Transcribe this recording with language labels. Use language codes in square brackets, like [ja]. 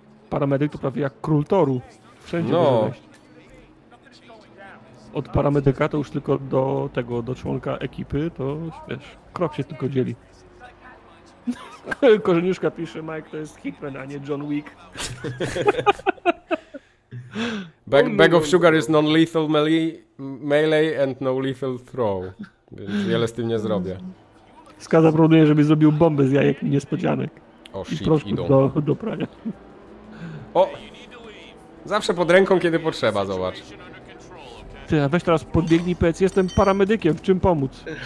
[pl] Paramedyk to prawie jak król toru. Wszędzie no. Od paramedyka to już tylko do tego, do członka ekipy, to wiesz, krok się tylko dzieli. Korzeniuszka pisze, Mike, to jest Hitman, a nie John Wick. [en] Bag of sugar is non-lethal melee and no lethal throw. [pl] Więc wiele z tym nie zrobię. Skaza proponuje, żeby zrobił bombę z jajek niespodzianek. O, shit, idą. I do prania. O! Zawsze pod ręką, kiedy potrzeba, zobacz. ty, a weź teraz podbiegnij, powiedz, jestem paramedykiem, w czym pomóc?